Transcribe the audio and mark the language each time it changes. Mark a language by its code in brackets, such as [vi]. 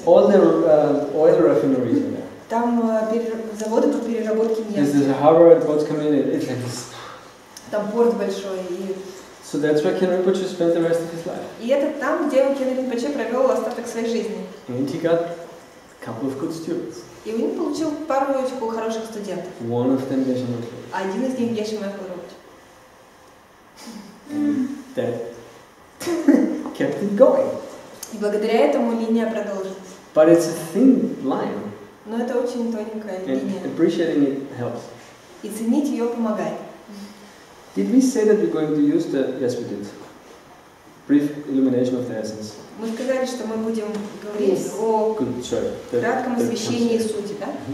[en] All the oil refineries in there. [ru] Там заводы по переработке нефти. [en] This is a harbor and boats come in. It's like this. [ru] Там порт большой и. [en] So that's where Ken Rinpoche spent the rest of his life. [ru] И это там, где Ken Rinpoche провел остаток своей жизни. [en] And he got a couple of good students. [ru] И он получил пару очень хороших студентов. [en] One of them, Geshe Michael Roach. [ru] Один из них Geshe Michael Roach. [en] That kept it going. [ru] И благодаря этому линия продолжилась. [en] But it's a thin line. [ru] Но это очень тоненькая [en] and [ru] линия. [en] Appreciating it helps. [ru] И ценить ее помогает. [en] Did we say that we're going to use the? Yes, we did. Brief illumination of the essence. [ru] Мы сказали, что мы будем говорить о кратком освещении сути, да?